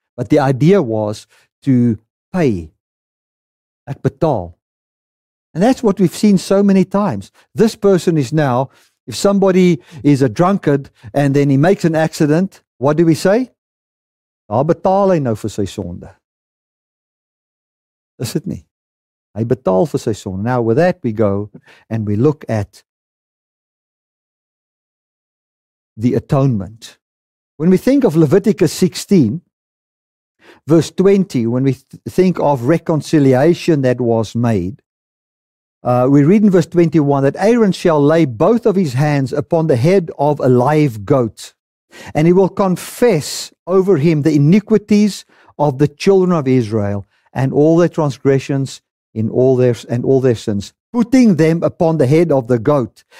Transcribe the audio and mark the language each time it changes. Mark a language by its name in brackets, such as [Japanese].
[English] But the idea was to pay, [Afrikaans] at betal. [English] And that's what we've seen so many times. This person is now, if somebody is a drunkard and then he makes an accident, what do we say? [Afrikaans] Hy betaal hy nou vir sy sonde. [English] Is it [Afrikaans] nie? Hy betaal vir sy sonde. [English] Now with that we go and we look at the atonement. When we think of Leviticus 16, verse 20, when we think of reconciliation that was made, we read in verse 21 that Aaron shall lay both of his hands upon the head of a live goat, and he will confess over him the iniquities of the children of Israel and all their transgressions and all their sins, putting them upon the head of the goat.